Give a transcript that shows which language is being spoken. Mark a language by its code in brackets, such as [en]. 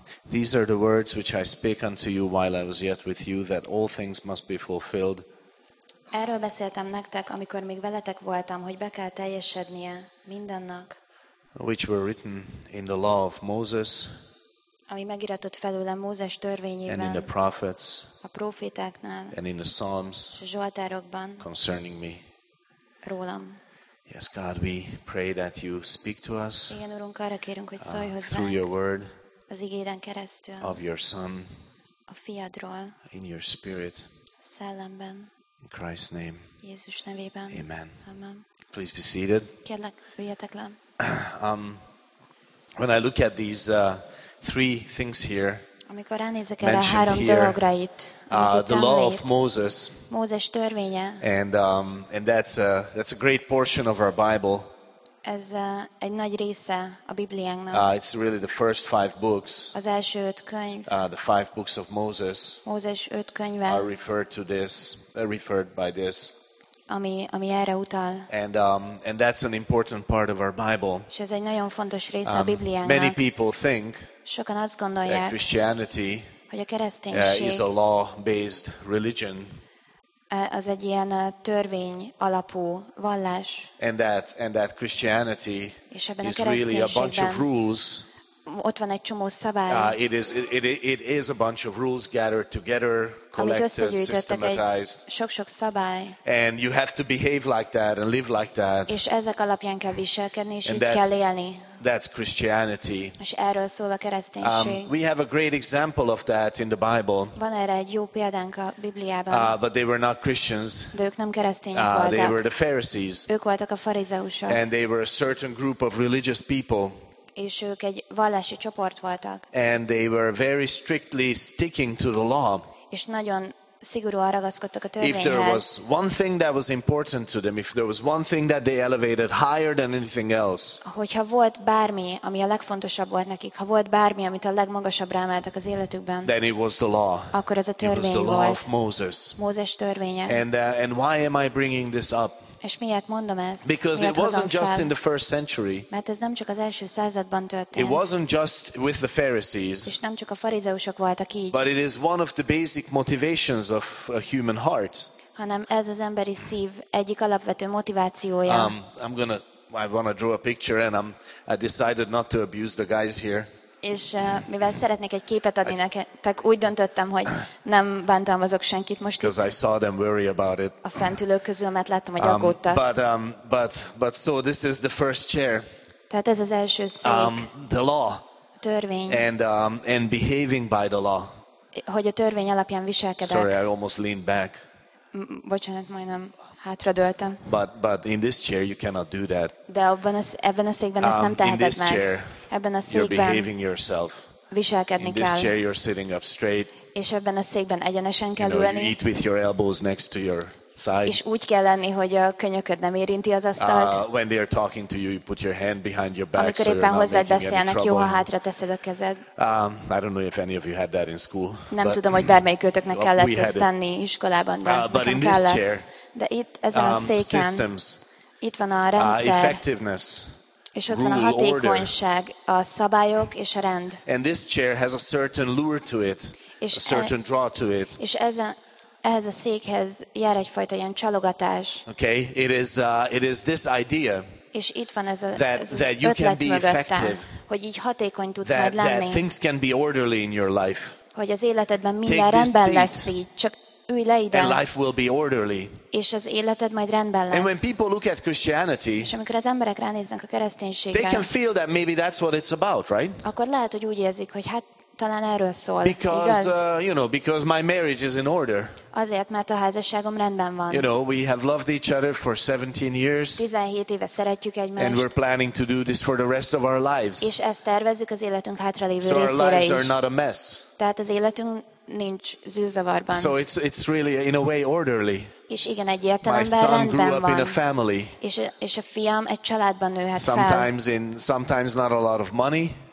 [en] These are the words which I spake unto you while I was yet with you, that all things must be fulfilled. [hu] Erről beszéltem nektek, amikor még veletek voltam, hogy be kell teljesednie mindennek. [en] Which were written in the law of Moses. [hu] Ami megiratott felőle Mózes törvényében, [en] and in the prophets, [hu] a prófétáknál, [en] and in the Psalms, [hu] a zsoltárokban, [en] concerning me, [hu] rólam. [en] Yes, God, we pray that you speak to us, [hu] igen, Urunk, arra kérünk, hogy szólj hozzánk, [en] through your word, [hu] az igéden keresztül, [en] of your son, [hu] a fiadról, [en] in your spirit, [hu] szellemben, [en] in Christ's name, [hu] Jézus nevében, amen. Amen. [en] Please be seated. [hu] Kérlek, üljetek le. [en] When I look at these three things here. [hu] Amikor ránézek erre a három dologra itt, [en] the law of Moses. [hu] Mózes törvénye. [en] And that's a great portion of our Bible. [hu] Ez egy nagy része a Bibliánknak. [en] It's really the first five books. [hu] Az első öt könyv. [en] The five books of Moses. [hu] Mózes öt könyve. [en] Are referred to this. Referred by this. [hu] Ami erre utal. [en] And that's an important part of our Bible. [hu] És ez egy nagyon fontos része a Bibliánknak. [en] Many people think [hu] sokan azt gondolják, [en] Christianity [hu] hogy a kereszténység [en] is a law-based religion. [hu] Az egy ilyen törvény alapú vallás. [en] And that Christianity is really a bunch of rules. [hu] Ott van egy csomó szabály. [en] It is a bunch of rules gathered together, collected, systematized. [hu] Sok-sok szabály. [en] And you have to behave like that and live like that. [hu] És ezek alapján kell viselkedni, és így kell élni. [en] That's Christianity. [hu] És erről szól a kereszténység. [en] We have a great example of that in the Bible. [hu] Van erre egy jó példánk a Bibliában. [en] But they were not Christians. [hu] De ők nem keresztények voltak. [en] They were the Pharisees. [hu] Ők voltak a farizeusok. [en] And they were a certain group of religious people. [hu] És ők egy vallási csoport voltak. [en] And they were very strictly sticking to the law. [hu] És nagyon szigorúan ragaszkodtak a törvényhez. [en] If there was one thing that was important to them, if there was one thing that they elevated higher than anything else. [hu] Hogyha volt bármi, ami a legfontosabb volt nekik, ha volt bármi, amit a legmagasabbra emeltek az életükben. [en] Then it was the law. [hu] Akkor az a törvény volt. [en] It was the law of Moses. [hu] Mózes törvénye. [en] And why am I bringing this up? [hu] És miért mondom ezt? [en] Because [hu] miért [en] it wasn't [hu] fel? [en] Just in the first century. [hu] Mert ez nem csak az első században történt. [en] It wasn't just with the Pharisees. [hu] És nem csak a farizeusok voltak így. [en] But it is one of the basic motivations of a human heart. [hu] Hanem ez az emberi szív egyik alapvető motivációja. [en] I want to draw a picture and I decided not to abuse the guys here. [hu] És mivel szeretnék egy képet adni nektek, úgy döntöttem, hogy nem bántalmazok senkit most itt. [en] I saw them worry about it. [hu] A fentülők közül, mert láttam, hogy aggódtak. [en] But so this is the first chair. [hu] Tehát ez az első szék. [en] The law. [hu] A törvény. [en] And behaving by the law. [hu] Hogy a törvény alapján viselkedek. [en] Sorry, I almost leaned back. [hu] Bocsánat, majdnem hátradőltem. [en] But in this chair you cannot do that. [hu] De ebben a székben ezt nem tehetek meg. [en] In this chair. [hu] Ebben a székben viselkedni kell. [en] In this chair you're sitting up straight. [hu] És ebben a székben egyenesen kell ülni. [en] You know, you eat with your elbows next to your side. [hu] És úgy kell lenni, hogy a könyököd nem érinti az asztalt. [en] When they are talking to you, you put your hand behind your back. [hu] Amikor éppen hozzád beszélnek, jó, ha hátra teszed a kezed. [en] I don't know if any of you had that in school. [hu] Nem tudom, hogy bármelyikőtöknek kellett ezt tenni iskolában, de nekem kellett. De itt ezen a széken [en] systems, [hu] itt van a rendszer. [en] Effectiveness. [hu] És ott van a hatékonyság, a szabályok és a rend. [en] And this chair has a certain lure to it, a certain draw to it. [hu] És ehhez a székhez jár egyfajta ilyen csalogatás. [en] Okay, it is this idea. [hu] És itt van ez a [en] that you can be effective. [hu] Hogy így hatékony tudsz majd lenni. [en] That things can be orderly in your life. [hu] Hogy az életedben minden rendben lesz így, csak ülj le ide. [en] And life will be orderly. [hu] És az életed majd rendben lesz. [en] And when people look at Christianity, [hu] és amikor az emberek ránéznek a kereszténységre, [en] they can feel that maybe that's what it's about, right? [hu] Akkor lehet, hogy úgy érzik, hogy hát talán erről szól. [en] Because [hu] igaz? [en] Because my marriage is in order. [hu] Azért, mert a házasságom rendben van. [en] You know, we have loved each other for 17 years. [hu] 17 éve szeretjük egymást. [en] And we're planning to do this for the rest of our lives. [hu] És ezt tervezzük az életünk hátralévő részére is. [en] So our lives are not a mess. [hu] Tehát az életünk nincs zűrzavarban. [en] So it's really in a way orderly. [hu] És igen, egyértelműen rendben van. [en] My son grew up in a family. [hu] És a fiam egy családban nőhet fel. [en] Sometimes not a lot of money.